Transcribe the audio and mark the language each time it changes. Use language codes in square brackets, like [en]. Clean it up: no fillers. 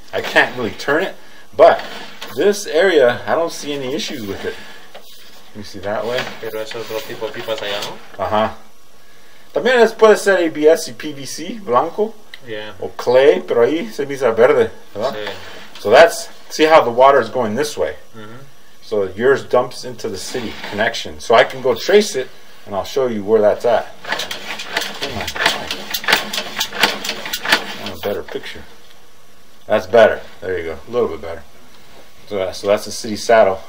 [en] I can't really turn it, but this area, I don't see any issues with it. Let me see that way. [es] Pero eso es otro tipo de pipas allá, ¿no? Uh-huh. También les puede ser ABS y PVC, blanco. [en] Yeah. [es] O clay, pero ahí se mira verde, ¿verdad? Sí. [en] So that's, see how the water is going this way. Mm-hmm. So yours dumps into the city connection. So I can go trace it, and I'll show you where that's at. Come on. I want a better picture. That's better. There you go. A little bit better. So that's the city saddle.